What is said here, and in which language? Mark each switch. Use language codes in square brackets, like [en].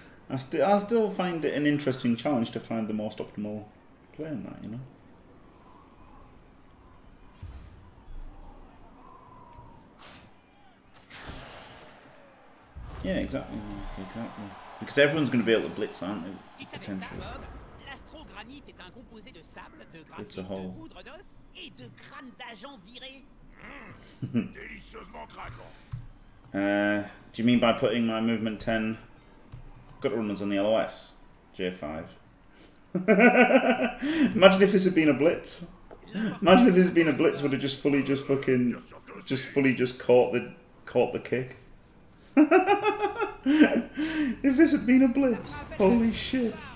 [en] I still find it an interesting challenge to find the most optimal play in that, you know? Yeah, exactly. Because everyone's going to be able to blitz, aren't they? Potentially. [fr] L'astrogranite est un composé de sable, de granite, de poudre d'os et de crâne d'agent viré. Délicieusement craquant. [en] Do you mean by putting my movement 10 gutter runners on the LOS? J5. Imagine if this had been a blitz. Imagine if this had been a blitz, would have just fully just fucking. Just fully caught the kick. If this had been a blitz, holy shit.